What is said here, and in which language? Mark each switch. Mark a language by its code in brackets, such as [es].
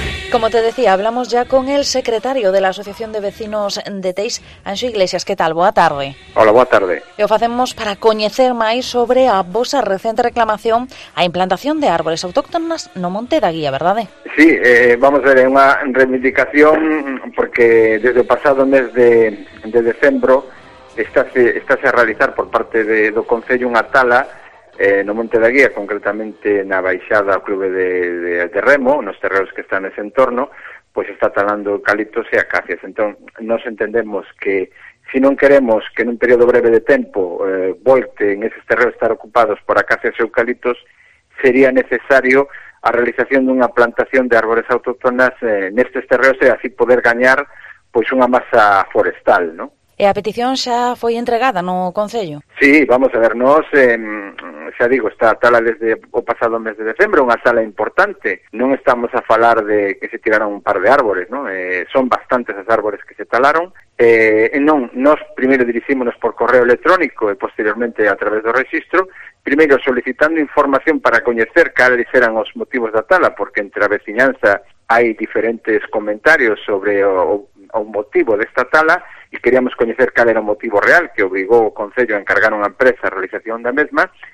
[es] Como te decía, hablamos ya con el secretario de la Asociación de Vecinos de Teis, Anxo Iglesias. ¿Qué tal? [gl] Boa tarde. Hola, boa tarde. E o facemos para coñecer máis sobre a vosa recente reclamación a implantación de árboles autóctonas no Monte da Guía, verdade? Sí, vamos a ver, é unha reivindicación porque desde o pasado mes de decembro estáse a realizar por parte do Concello unha tala no Monte da Guía, concretamente na baixada ao clube de Remo, nos terreos que están nese entorno, pois está talando eucaliptos e acacias. Entón, nos entendemos que, se non queremos que nun período breve de tempo volte en eses terreos estar ocupados por acacias e eucaliptos, sería necesario a realización dunha plantación de árboles autóctonas nestes terreos e así poder gañar pois unha masa forestal, ¿no? E a petición xa foi entregada no Concello? Sí, vamos a ver, nos, xa digo, está tala desde o pasado mes de decembro, unha tala importante. Non estamos a falar de que se tiraron un par de árboles, ¿no? Son bastantes as árboles que se talaron. Non, nos primeiro dirixímonos por correo electrónico e posteriormente a través do rexistro, primeiro solicitando información para coñecer cales eran os motivos da tala, porque entre a veciñanza hai diferentes comentarios sobre o motivo desta tala, e queríamos coñecer cal era o motivo real que obrigou o Concello a encargar unha empresa a realización da mesma,